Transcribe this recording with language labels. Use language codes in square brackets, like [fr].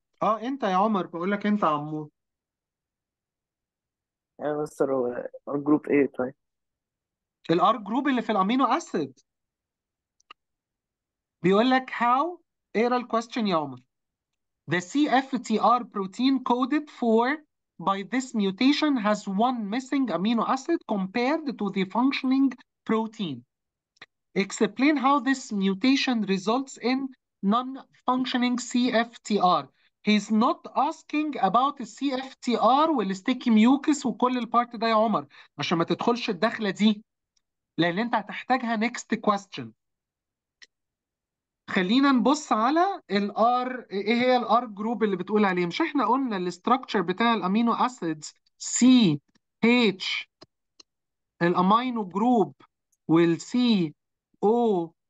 [ar] انت يا عمر، بقول لك انت عمو. يا مستر هو ار جروب ايه طيب؟ الار جروب اللي في الامينو اسيد بيقول لك [en] how، [ar] اقرا الكويستشن يا عمر. [en] The CFTR protein coded for by this mutation has one missing amino acid compared to the functioning protein. Explain how this mutation results in non-functioning CFTR. He's not asking about the CFTR [ar] والستيكي ميوكس وكل البارت ده يا عمر، عشان ما تدخلش الدخلة دي، لأن أنت هتحتاجها [en] next question. [ar] خلينا نبص على الـ R، إيه هي الـ R group اللي بتقول عليه؟ مش إحنا قلنا الـ structure بتاع الأمينو أسيدز C H الأمينو جروب والـ C O